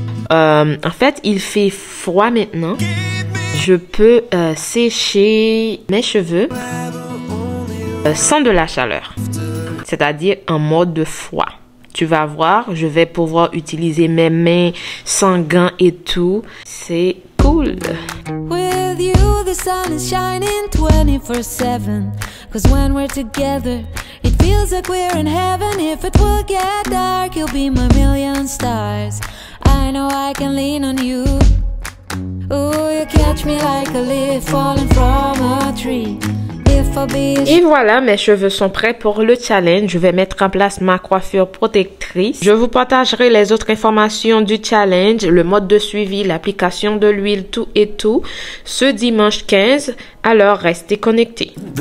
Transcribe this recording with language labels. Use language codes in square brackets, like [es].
[fr] En fait, il fait froid maintenant. Je peux sécher mes cheveux sans de la chaleur, c'est-à-dire en mode froid. Tu vas voir, je vais pouvoir utiliser mes mains sans gants et tout. C'est cool. [en] With you, the sun is shining 24/7. 'Cause when we're together, it feels like we're in heaven. If it will get dark, you'll be my million stars. I know I can lean on you. Ooh, you catch me like a leaf falling from a tree. [fr] Et voilà, mes cheveux sont prêts pour le challenge. Je vais mettre en place ma coiffure protectrice. Je vous partagerai les autres informations du challenge, le mode de suivi, l'application de l'huile, tout et tout, ce dimanche 15. Alors, restez connectés.